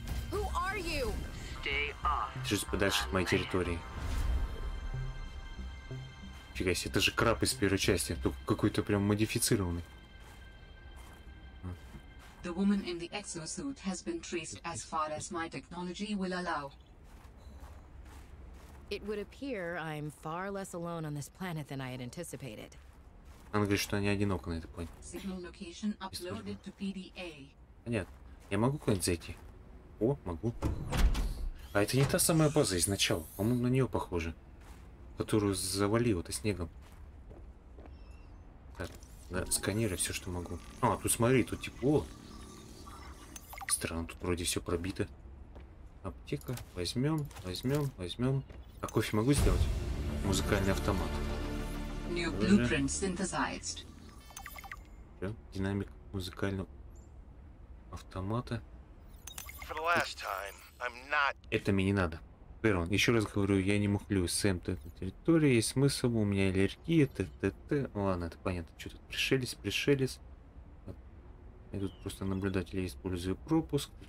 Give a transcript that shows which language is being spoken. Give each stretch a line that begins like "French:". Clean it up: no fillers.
English: Who are you?
Russian: Стой подальше от моей территории. Фига себе, это же краб из первой части, только какой-то прям модифицированный.
English: The woman in the exosuit has been traced as far as my technology will allow. It would appear I'm far less alone on this planet than I had anticipated.
Russian: Она говорит, что они одиноки на этой планете.
English: Signal location uploaded to PDA.
Russian: Нет, я могу куда-нибудь зайти? О, могу. А это не та самая база изначала, по-моему, на нее похоже. Которую завалило-то снегом. Так, да, сканирую все, что могу. А, тут смотри, тут тепло. Странно, тут вроде все пробито. Аптека, возьмем, возьмем, возьмем. А кофе могу сделать? Музыкальный автомат.
English: New blueprint synthesized.
Russian: Все, динамик музыкального автомата.
English: For the last time, I'm not...
Russian: Это мне не надо. Берон, еще раз говорю, я не мухлю с МТ на территории, есть смысл, у меня аллергия, т-т-т. Ладно, это понятно, что тут пришелец. Я тут просто наблюдатель, использую пропуск.